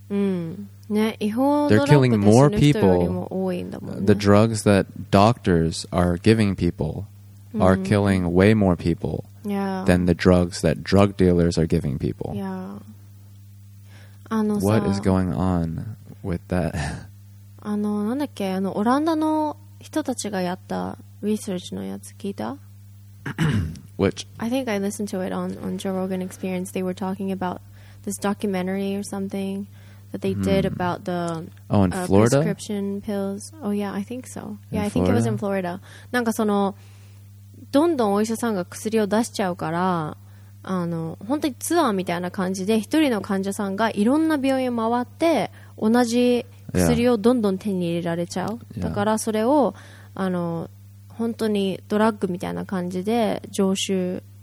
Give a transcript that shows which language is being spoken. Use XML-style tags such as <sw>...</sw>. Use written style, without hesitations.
<en>They're killing more people. The drugs that doctors are giving people are killing way more people than the drugs that drug dealers are giving people. What is going on with that?</en> <ja>オランダの人たちがやったリサーチのやつ聞いた?</ja> <en>Which? I think I listened to it on Joe Rogan Experience. They were talking about this documentary or something that they did about the in Florida? Prescription pills. Oh yeah, I think so. I think it was in Florida.</en> <ja>なんかそのどんどんお医者さんが薬を出しちゃうから本当にツアーみたいな感じで一人の患者さんがいろんな病院を回って同じ薬をどんどん手に入れられちゃう、だからそれを本当にドラッグみたいな感じで常習。</ja>